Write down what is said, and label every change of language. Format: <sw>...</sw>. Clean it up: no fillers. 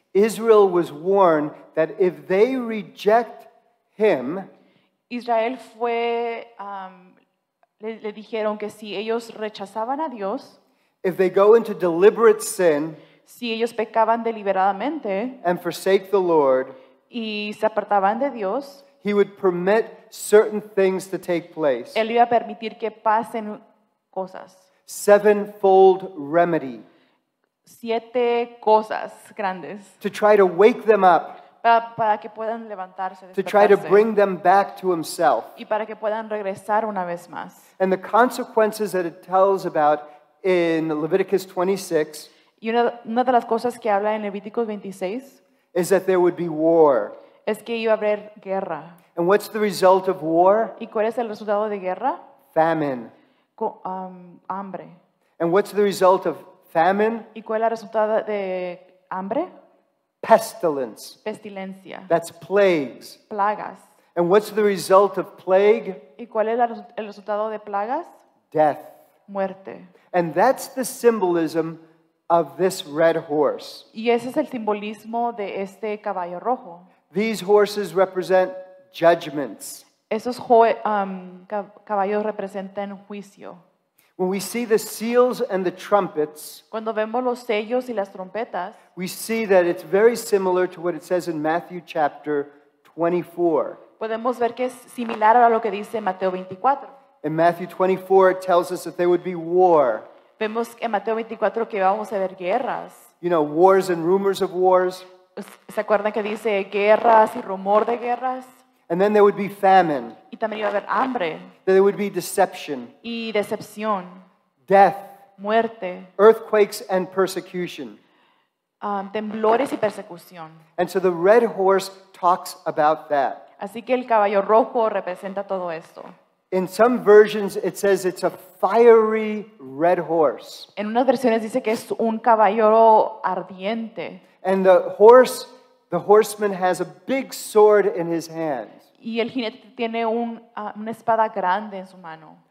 <en>Israel was warned that if they reject him,</en> <es>Israel fue le dijeron que si ellos rechazaban a Dios,</es> <en>if they go into deliberate sin,</en> <es>si ellos pecaban deliberadamente,</es> <en>and forsake the Lord,</en> <es>y se apartaban de Dios,</es> <en>he would permit certain things to take place.</en> <es>Él iba a permitir que pasen cosas.</es> <en>Sevenfold remedy.</en> <es>Siete cosas grandes.</es> <en>To try to wake them up.</en> <es>Para que puedan levantarse.</es> <en>To try to bring them back to himself.</en> <es>Y para que puedan regresar una vez más.</es> <en>And the consequences that it tells about in Leviticus 26.</en> <es>Y una de las cosas que habla en Levíticos 26.</es> <en>Is that there would be war.</en> <es>Es que iba a haber guerra.</es> <en>And what's the result of war?</en> <es>¿Y cuál es el resultado de guerra?</es> <en>Famine.</en> <es>Hambre.</es> <en>And what's the result of famine?</en> <es>¿Y cuál es el resultado de hambre?</es> <en>Pestilence.</en> <es>Pestilencia.</es> <en>That's plagues.</en> <es>Plagas.</es> <en>And what's the result of plague?</en> <es>¿Y cuál es el resultado de plagas?</es> <en>Death.</en> <es>Muerte.</es> <en>And that's the symbolism of this red horse.</en> <es>Y ese es el simbolismo de este caballo rojo.</es> <en>These horses represent judgments.</en> <es>Esos caballos representan juicio.</es> <en>When we see the seals and the trumpets,</en> <es>cuando vemos los sellos y las trompetas,</es> <en>we see that it's very similar to what it says in Matthew chapter 24.</en> <es>Podemos ver que es similar a lo que dice Mateo 24.</es> <en>In Matthew 24, it tells us that there would be war.</en> <es>Vemos en Mateo 24 que vamos a ver guerras.</es> <en>You know, wars and rumors of wars.</en> <es>¿Se acuerdan que dice guerras y rumor de guerras?</es> <en>And then there would be famine.</en> <es>Y también iba a haber hambre.</es> <en>There would be deception.</en> <es>Y decepción.</es> <en>Death.</en> <es>Muerte.</es> <en>Earthquakes and persecution.</en> <es>Temblores y persecución.</es> <en>And so the red horse talks about that.</en> <es>Así que el caballo rojo representa todo esto.</es> <en>In some versions it says it's a fiery red horse.</en> <es>En unas versiones dice que es un caballo ardiente.</es> <en>And the horse... the horseman has a big sword in his hand.</en> <es>Y el jinete tiene una espada grande en su mano.</es>